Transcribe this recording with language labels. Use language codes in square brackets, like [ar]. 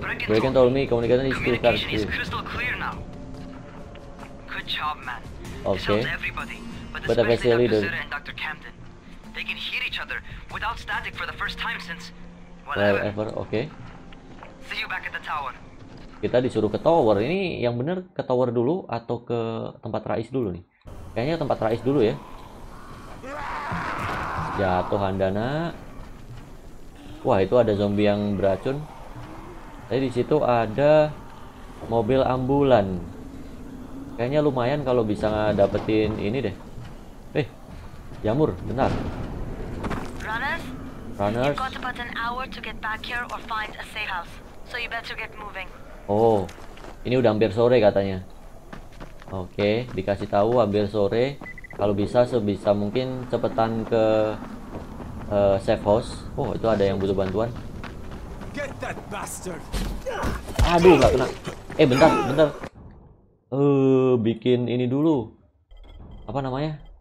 [en] Bracken told me communication is crystal clear now. Good job, man. Oke. Okay. But especially the Dr. and Dr. Camden. They can hear each other without static for the first time since whatever. Oke. Okay. See you back at the tower. [id] Kita disuruh ke tower. Ini yang benar ke tower dulu atau ke tempat Rais dulu nih? Kayaknya tempat Rais dulu ya. Jatuh Handana. Wah, itu ada zombie yang beracun. Tadi di situ ada mobil ambulan. Kayaknya lumayan kalau bisa dapetin ini deh. Eh, jamur, bentar. [en] Runners, runners. You've got about an hour to get back here or find a safe house, so you better get moving. [id] Oh, ini udah hampir sore katanya. Oke, dikasih tahu hampir sore. Kalau bisa sebisa mungkin cepetan ke safe house. Oh, itu ada yang butuh bantuan. [en] Get that bastard. [id] Aduh, nggak kena. Eh, bentar, bentar. Bikin ini dulu. Apa namanya?